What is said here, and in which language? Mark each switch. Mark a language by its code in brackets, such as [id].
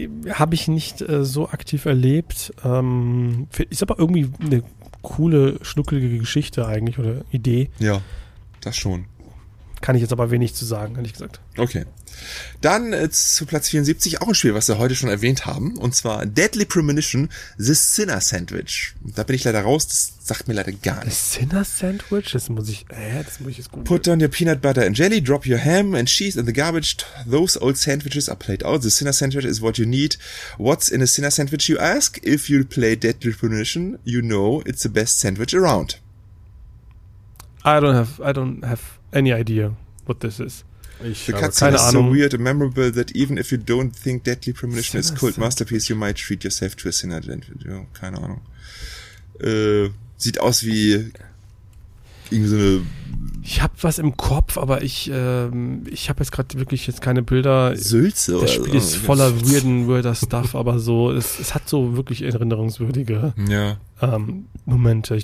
[de] Habe ich nicht so aktiv erlebt. Ist aber irgendwie eine coole, schnuckelige Geschichte eigentlich oder Idee. Ja, das schon. Kann ich jetzt aber wenig zu sagen, ehrlich gesagt. Okay. Dann zu Platz 74 auch ein Spiel, was wir heute schon erwähnt haben. Und zwar Deadly Premonition, The Sinner Sandwich. Da bin ich leider raus, das sagt mir leider gar nichts. The Sinner Sandwich? Das muss ich jetzt gut. [en] Put down your peanut butter and jelly, drop your ham and cheese in the garbage. Those old sandwiches are played out. The Sinner Sandwich is what you need. What's in a Sinner Sandwich, you ask? If you play Deadly Premonition, you know it's the best sandwich around. I don't have any idea what this is. Ich the cutscene is so weird and memorable that even if you don't think Deadly Premonition is a cult masterpiece, you might treat yourself to a Sinner Sandwich. [de] Ja, keine Ahnung. Sieht aus wie irgendwie so eine. Ich habe was im Kopf, aber ich habe jetzt gerade wirklich jetzt keine Bilder. Sülze oder so. Das Spiel ist voller weirden, weirder Stuff, aber so, es hat so wirklich erinnerungswürdige Momente.